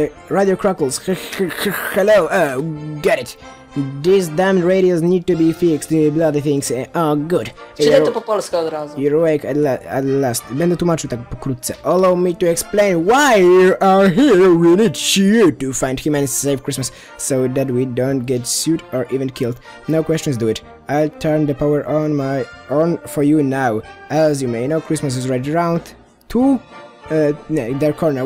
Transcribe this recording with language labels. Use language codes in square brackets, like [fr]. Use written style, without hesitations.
[en] Radio Crackles, hello, get it. These damn radios need to be fixed, bloody things, oh good. [pl] Czyli to po polsku od razu. [en] You're awake at last. [pl] Będę tłumaczył tak pokrótce. [en] Allow me to explain why you are here. We need you to find him and save Christmas so that we don't get sued or even killed. No questions, do it. I'll turn the power on for you now. As you may know, Christmas is right around to their corner.